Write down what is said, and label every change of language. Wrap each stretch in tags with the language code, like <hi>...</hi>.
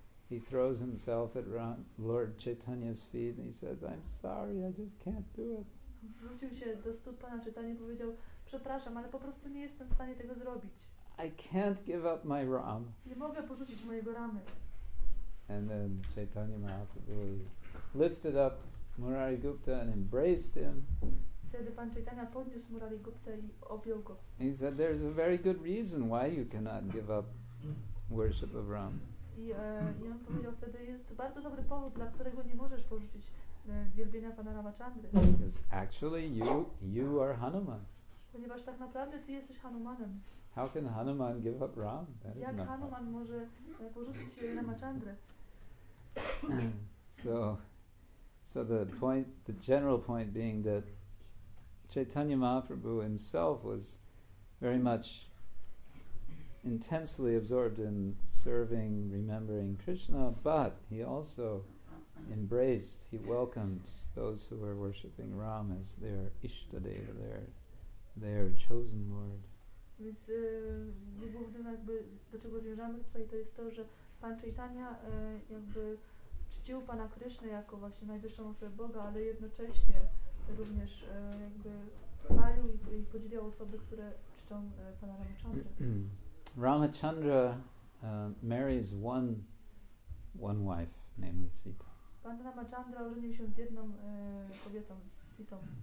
<en>He throws himself at Lord Chaitanya's feet and he says, I'm sorry, I just can't do it.</en> <pl>Wrócił się do stóp pana Chaitanya i powiedział, przepraszam, ale po prostu nie jestem w stanie tego zrobić.</pl> <en>I can't give up my Ram.</en> <pl>Nie mogę porzucić mojego Ramy.</pl> <en>And then Chaitanya Mahaprabhu lifted up Murari Gupta and embraced him.</en> <pl>Wtedy pan Chaitanya podniósł Murari Gupta i objął go.</pl> <en>He said, there's a very good reason why you cannot give up worship of Ram.</en> <pl>I on powiedział wtedy, jest bardzo dobry powód, dla którego nie możesz porzucić wielbienia pana Ramachandry.</pl> <en>Because actually you are Hanuman.</en> <pl>Ponieważ tak naprawdę ty jesteś Hanumanem.</pl> <en>How can Hanuman give up Ram? That</en> <pl>jak Hanuman może porzucić Ramachandrę?</pl> <en>So the general point being that Chaitanya Mahaprabhu himself was very much intensely absorbed in serving, remembering Krishna, but he also embraced, he welcomed those who were worshipping Ram as their Ishtadeva, their chosen Lord.</en> <pl>Więc głównym jakby do czego zmierzamy tutaj to jest to, że pan Chaitanya jakby czcił pana Krishnę jako właśnie najwyższą osobę Boga, ale jednocześnie również jakby chwalił i podziwiał osoby, które czczą pana Ramachandrę.</pl> <en>Ramachandra marries one wife, namely Sita.</en> <pl>Pan Ramachandra ożenił się z jedną kobietą, z Sitą.</pl>